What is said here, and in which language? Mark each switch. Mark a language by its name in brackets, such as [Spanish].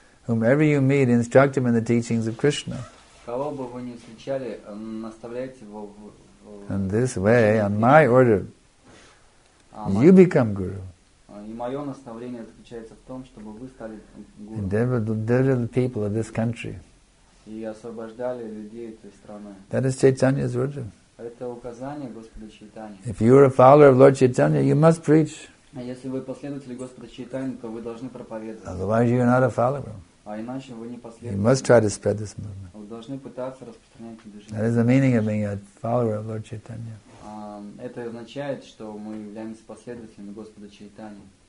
[English] Whomever you meet, instruct him in the teachings of Krishna. [Russian] Кого бы вы ни встречали, наставляйте его. [English] In this way, on my order, you become guru. [Russian] И мое наставление заключается в том, чтобы вы стали гуру. [English] And deliver the people of this country. [Russian] И освобождали людей этой страны. [English] That is Chaitanya's order. [Russian] Это указание Господа Чайтаньи. [English] If you are a follower of Lord Chaitanya, you must preach. [Russian] А если вы последователь Господа Чайтаньи, то вы должны проповедовать. [English] Otherwise you are not a follower. [Russian] А иначе вы не последователь. [English] You must try to spread this movement. [Russian] Вы должны пытаться распространять движение. [English] That is the meaning of being a follower of Lord Chaitanya. [Russian] Это означает, что мы являемся последователями Господа Чайтаньи.